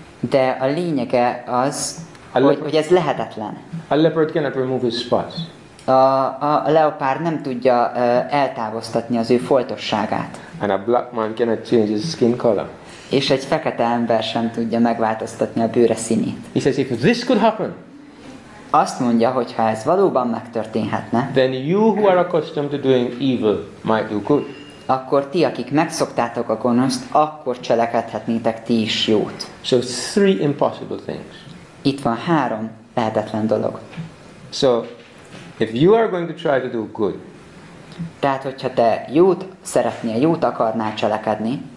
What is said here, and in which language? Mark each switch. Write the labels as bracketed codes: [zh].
[hu] De a lényege az, hogy ez lehetetlen. [en] A leopard cannot remove his spots. [hu] A leopár nem tudja eltávoztatni az ő foltosságát. [en] And a black man cannot change his skin color. [hu] És egy fekete ember sem tudja megváltoztatni a bőre színét. [en] He says, if this could happen, [hu] azt mondja, hogy ha ez valóban megtörténhetne, [en] then you who are accustomed to doing evil might do good. [hu] Akkor ti, akik megszoktátok a gonoszt, akkor cselekedhetnétek ti is jót. [en] So three impossible things. [hu] Itt van három lehetetlen dolog. [en] So if you are going to try to do good, [hu] tehát hogyha te jót szeretnél, jót akarnál cselekedni,